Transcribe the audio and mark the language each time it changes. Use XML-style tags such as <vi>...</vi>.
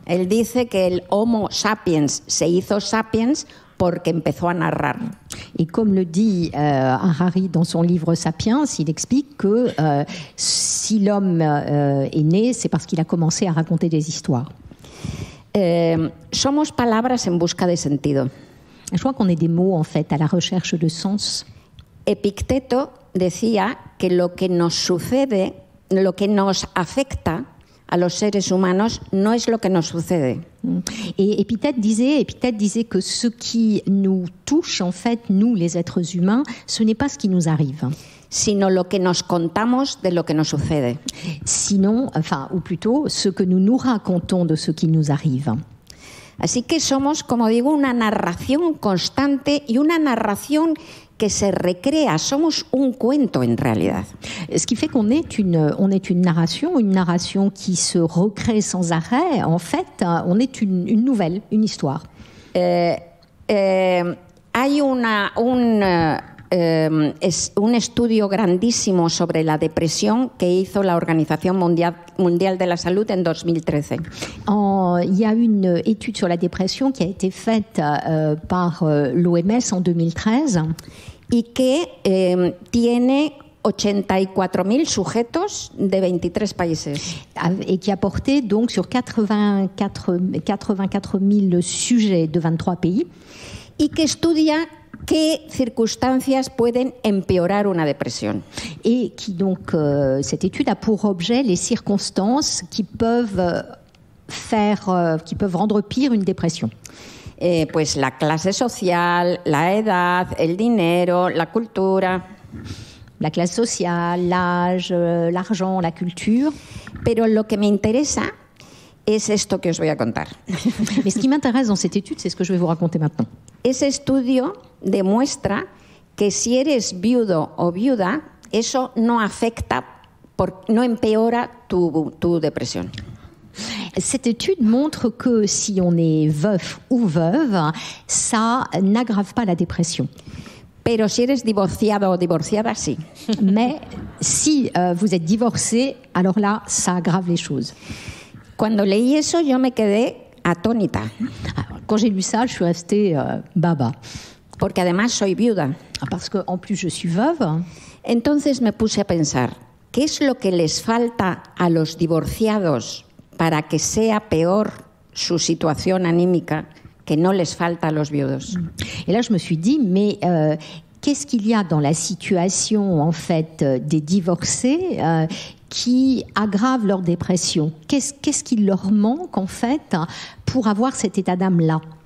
<es>Él dice que el Homo sapiens se hizo sapiens porque empezó a narrar.</es> <fr>Et comme le dit Harari dans son livre Sapiens, il explique que si l'homme est né, c'est parce qu'il a commencé à raconter des histoires.</fr> <es>Somos palabras en busca de sentido.</es> <fr>Je crois qu'on est des mots, en fait, à la recherche de sens.</fr> <es>Epicteto decía que lo que nos sucede, lo que nos afecta a los seres humanos, no es lo que nos sucede.</es> <fr>Et Epictète disait que ce qui nous touche, en fait, nous, les êtres humains, ce n'est pas ce qui nous arrive.</fr> <es>Sino lo que nos contamos de lo que nos sucede.</es> <fr>Sinon, enfin, ou plutôt, ce que nous nous racontons de ce qui nous arrive.</fr> <es>Así que somos, como digo, una narración constante y una narración que se recrea. Somos un cuento en realidad.</es> <fr>Ce qui fait qu'on est une narration qui se recrée sans arrêt. En fait, on est une nouvelle, une histoire.</fr> <es>Hay un estudio grandísimo sobre la depresión que hizo la Organización Mundial de la Salud en 2013.</es> <fr>Il y a une étude sur la dépression qui a été faite par l'OMS en 2013</fr> <es>y que tiene 84.000 sujetos de 23 países.</es> <fr>Et qui a porté donc sur 84.000 sujets de 23 pays.</fr> <es>Y que estudia qué circunstancias pueden empeorar una depresión.</es> <fr>Et qui donc cette étude a pour objet les circonstances qui peuvent faire qui peuvent rendre pire une dépression.</fr> <es>Pues la clase social, la edad, el dinero, la cultura.</es> <fr>La clase social, l'âge, l'argent, la culture.</fr> <es>Pero lo que me interesa es esto que os voy a contar.</es> <fr>Mais ce qui m'intéresse dans cette étude, c'est ce que je vais vous raconter maintenant.</fr> <es>Ese estudio demuestra que si eres viudo o viuda, eso no afecta, no empeora tu depresión.</es> <fr>Cette étude montre que si on est veuf ou veuve, ça n'aggrave pas la dépression.</fr> <es>Pero si eres divorciado o divorciada, sí.</es> <fr>Mais si vous êtes divorcé, alors là, ça aggrave les choses.</fr> <es>Cuando leí eso, yo me quedé atónita.</es> <fr>Quand j'ai lu ça, je suis restée baba.</fr> <es>Porque además soy viuda.</es> <fr>Parce que en plus je suis veuve.</fr> <es>Entonces me puse a pensar, ¿qué es lo que les falta a los divorciados para que sea peor su situación anímica que no les falta a los viudos?</es> <fr>Et là je me suis dit, mais qu'est-ce qu'il y a dans la situation en fait des divorcés qui aggravent leur dépression? Qu'est-ce qui leur manque, en fait, pour avoir cet état d'âme-là?</fr>